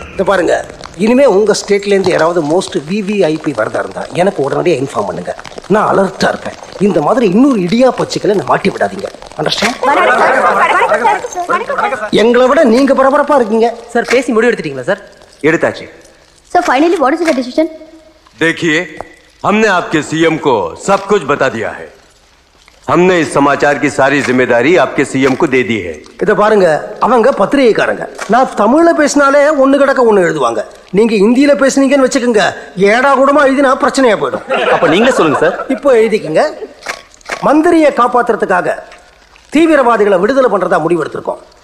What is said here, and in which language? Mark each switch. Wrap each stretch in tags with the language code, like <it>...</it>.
<ta>பாருங்க, இனிமே உங்க ஸ்டேட்ல இருந்து யாராவது மோஸ்ட் விவிஐபி வரதா இருந்தா எனக்கு உடனடியாக இன்ஃபார்ம் பண்ணுங்க, நான் அலர்ட்டா இருப்பேன். இந்த மாதிரி இன்னொரு இடியா பச்சுக்களை நான் மாட்டி விடாதீங்க. எங்களை விட நீங்க பரபரப்பா இருக்கீங்க சார். பேசி முடிவு எடுத்துட்டீங்களா சார்? எடுத்தாச்சு</ta> <en>Sir. Finally what is the decision?</en> <hi>देखिए, हमने आपके सीएम को सब कुछ बता दिया है. हमने इस समाचार की सारी जिम्मेदारी आपके सीएम को दे दी है.</hi> <ta>இத பாருங்க, அவங்க பத்திரிகைக்காரங்க. நான் தமிழ்ல பேசினாலே ஒன்னு கிடக்க ஒன்னு எழுதுவாங்க. நீங்க ஹிந்தியில பேசுனீங்கன்னு வச்சுக்கோங்க, ஏடா கூடமா எழுதினா பிரச்சனையா போயிடும். அப்ப நீங்க சொல்லுங்க சார். இப்போ எழுதிக்கங்க, மந்திரியை காப்பாத்துறதுக்காக தீவிரவாதிகளை விடுதலை பண்றதா முடிவெடுத்திருக்கோம்.</ta>